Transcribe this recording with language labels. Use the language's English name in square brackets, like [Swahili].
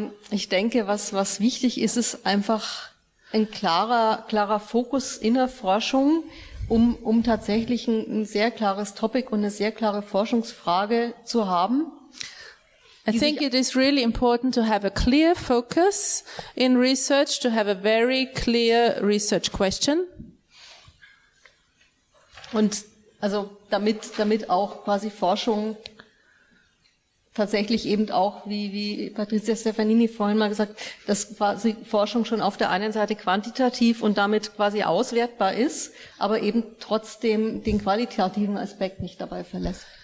[German] Ich denke, was wichtig ist, ist einfach ein klarer Fokus in der Forschung, um tatsächlich ein sehr klares Topic und eine sehr klare Forschungsfrage zu haben. [English] I think it is really important to have a clear focus in research, to have a very clear research question. [German] Und also damit auch quasi Forschung tatsächlich eben auch, wie Patricia Stefanini vorhin mal gesagt, dass quasi Forschung schon auf der einen Seite quantitativ und damit quasi auswertbar ist, aber eben trotzdem den qualitativen Aspekt nicht dabei verlässt.